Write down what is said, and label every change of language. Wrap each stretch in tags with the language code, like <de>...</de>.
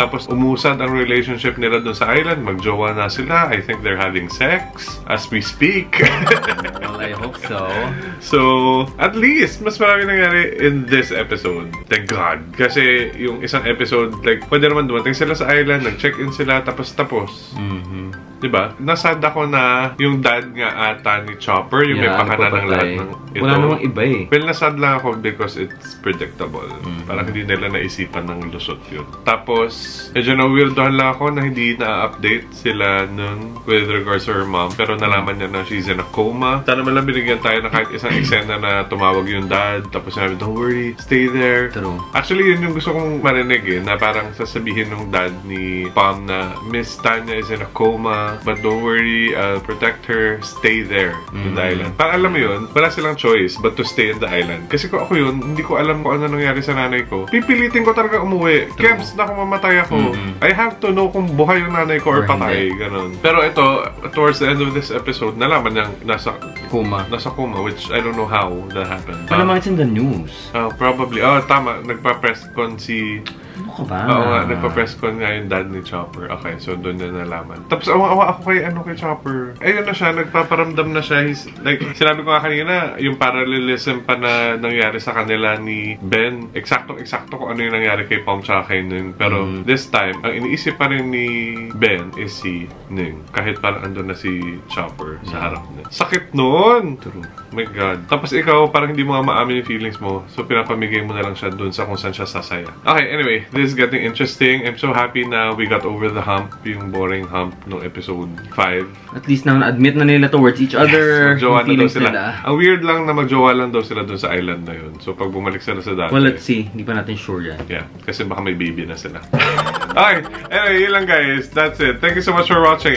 <tl>Tapos umusad ang relationship nila dun sa island. Magjowa na sila.</tl> <en>I think they're having sex as we speak. Well, I hope so. So, at least,</en> <tl>mas marami nangyari</tl> <en>in this episode. Thank God.</en> <tl>Kasi yung isang episode, like, pwede naman dumating sila sa island, nag-check-in sila, tapos. Mm-hmm. Diba? Nasad ako na yung dad nga ata ni Chopper, yung may pakana ng lahat ng ito. Wala namang iba eh.</tl> <en>Well,</en> <tl>nasad lang ako</tl> <en>because it's predictable. Mm-hmm.</en> <tl>Parang hindi nila naisipan ng lusot yun. Tapos, medyo na-weirdohan lang ako na hindi na-update sila nun</tl> <en>with regards to her mom.</en> <tl>Pero nalaman niya na</tl> <en>she's in a coma.</en> <tl>Saan naman lang binigyan tayo na kahit isang eksena na tumawag yung dad. Tapos sinabi,</tl> <en>don't worry, stay there. True.</en> <tl>Actually, yun yung gusto kong marinig eh. Na parang sasabihin nung dad ni Pam na</tl> <en>Miss Tanya is in a coma. But don't worry, I'll protect her. Stay there in the island.</en> <tl>Para alam mo yun, wala silang</tl> <en>choice but to stay in the island.</en> <tl>Kasi kung ako yun, hindi ko alam kung ano nangyari sa nanay ko. Pipilitin ko talaga umuwi. Kems na kung mamatay ako. Mm-hmm.</tl> <en>I have to know</en> <tl>kung buhay yung nanay ko or patay. Ganun.</tl> <en>Pero ito, towards the end of this episode,</en> <tl>nalaman niyang nasa coma,</tl> <en>which I don't know how that happened.</en> <tl>Malamang</tl> <en>it's in the news. Probably.</en> <tl>Oh, tama. Nagpa-press con si... Ano ko ba? Oo nga, nagpa-press con nga yung dad ni Chopper. Okay, so doon na nalaman. Tapos awa-awa ako kay Chopper. Ayun na siya, nagpaparamdam na siya.</tl> <en>He's, like,</en> <tl>sinabi ko nga kanina, yung parallelism pa na nangyari sa kanila ni Ben. Eksakto-eksakto kung ano yung nangyari kay Pom tsaka kay Ning. Pero</tl> <en>this time,</en> <tl>ang iniisip pa rin ni Ben is si Ning. Kahit parang andun na si Chopper sa harap niya. Sakit noon!</tl> <en>True. My God.</en> <tl>Tapos ikaw, parang hindi mo nga maamin yung feelings mo. So pinapamigay mo na lang siya doon sa kung saan siya sasaya.</tl> <en>Okay, anyway. This is getting interesting. I'm so happy na we got over the hump,</en> <tl>yung boring hump ng</tl> <en>episode 5. At least now,</en> <tl>na-admit na nila</tl> <en>towards each other.</en> <tl>Yes, mag-jowa na daw sila. Ang weird lang na mag-jowa lang daw sila dun sa island na yun. So, pag bumalik sila sa dati.</tl> <en>Well, let's see.</en> <tl>Hindi pa natin sure yan.</tl> <en>Yeah,</en> <tl>kasi baka may baby na sila.</tl> <en>Okay, anyway,</en> <tl>yun lang</tl> <en>guys. That's it. Thank you so much for watching.</en>